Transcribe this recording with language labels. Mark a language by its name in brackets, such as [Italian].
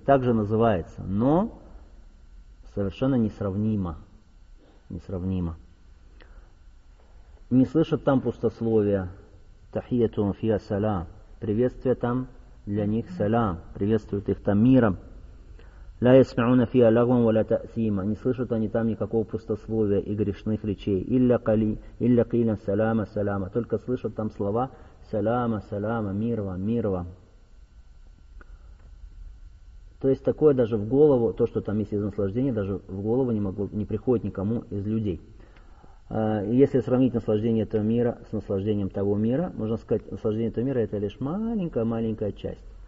[Russian] Также называется, но совершенно несравнимо. Несравнимо. Не слышат там пустословия. [Arabic] Тахиятум фия салям. [Russian] Приветствие там для них салям. Приветствуют их там миром. [Arabic] لا يسمعون فيها لغوا ولا تأثيما. [Russian] Не слышат они там никакого пустословия и грешных речей. [Arabic] Илля قيلا سلاما سلاما. [Russian] Только слышат там слова салама, салама, мир вам, мир вам. То есть такое даже в голову, то, что там есть из наслаждения, даже в голову не приходит никому из людей. Если сравнить наслаждение этого мира с наслаждением того мира, можно сказать, наслаждение этого мира – это лишь маленькая-маленькая часть.